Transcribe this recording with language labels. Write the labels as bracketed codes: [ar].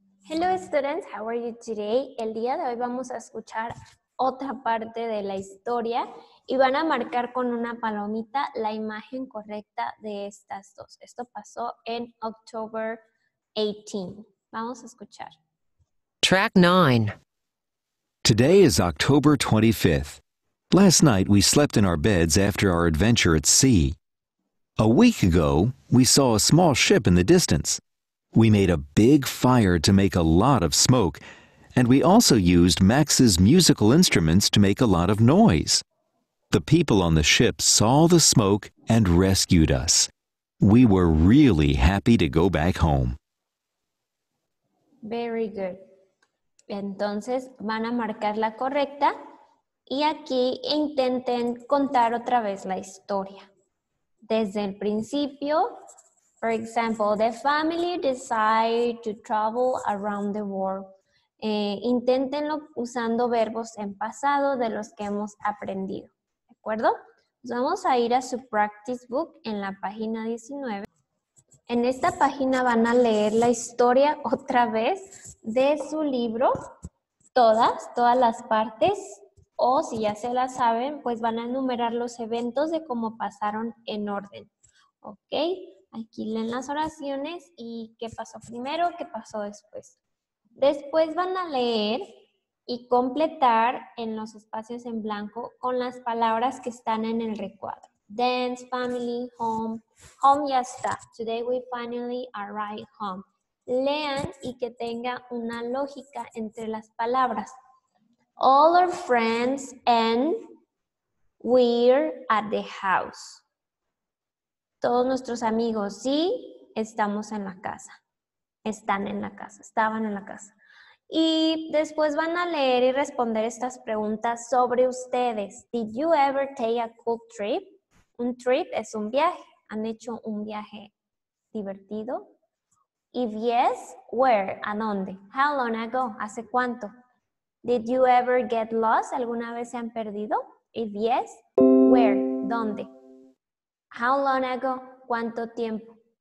[en] Hello students, how are you today? [es] El día de hoy vamos a escuchar otra parte de la historia y van a marcar con una palomita la imagen correcta de estas dos. Esto pasó en [en] October 18. [es] Vamos a escuchar. Track 9. [en] Today is October 25th. Last night we slept in our beds after our adventure at sea. A week ago, we saw a small ship in the distance. We made a big fire to make a lot of smoke, and we also used Max's musical instruments to make a lot of noise. The people on the ship saw the smoke and rescued us. We were really happy to go back home. Very good. [es] Entonces van a marcar la correcta y aquí intenten contar otra vez la historia. Desde el principio. [en] For example, the family decide to travel around the world. [es] Inténtenlo usando verbos en pasado de los que hemos aprendido. ¿De acuerdo? Pues vamos a ir a su [en] practice book [es] en la página 19. En esta página van a leer la historia otra vez de su libro. Todas las partes. O si ya se la saben, pues van a enumerar los eventos de cómo pasaron en orden. ¿Ok? Aquí leen las oraciones y qué pasó primero, qué pasó después. Después van a leer y completar en los espacios en blanco con las palabras que están en el recuadro. [en] Dance, family, home. Home [es] ya está. [en] Today we finally arrive home. [es] Lean y que tenga una lógica entre las palabras. [en] All our friends and we're at the house. [es] Todos nuestros amigos sí estamos en la casa. Están en la casa. Estaban en la casa. Y después van a leer y responder estas preguntas sobre ustedes. [en] Did you ever take a cool trip? [es] Un trip es un viaje. ¿Han hecho un viaje divertido? [en] If yes, where? [es] ¿A dónde? [en] How long ago? [es] ¿Hace cuánto? [en] Did you ever get lost? [es] ¿Alguna vez se han perdido? [en] If yes, where? [es] ¿Dónde? [en] How long ago? [es] ¿Cuánto tiempo?